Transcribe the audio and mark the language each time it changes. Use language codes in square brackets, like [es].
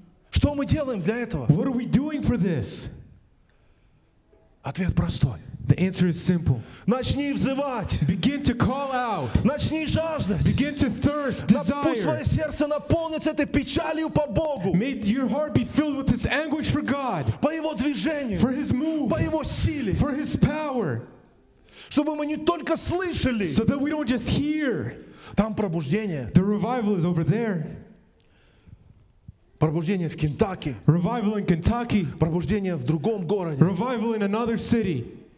[ru] Что мы делаем для этого? [en] What are we doing for this? [ru] Ответ простой. [en] The answer is simple. [ru] Начни взывать. [en] Begin to call out. [ru] Начни жаждать. [en] Begin to thirst, desire. [ru] Пусть твое сердце наполнится этой печалью по Богу. [en] May your heart be filled with this anguish for God. [ru] По его движению. [en] For his move. [ru] По его силе. [en] For his power. [ru] Чтобы мы не только слышали. [en] So that we don't just hear. [ru] Там пробуждение. [en] The revival is over there. [ru] Пробуждение в Кентаки. [en] Revival in Kentucky. [ru] Пробуждение в другом городе. [en] Revival in another city.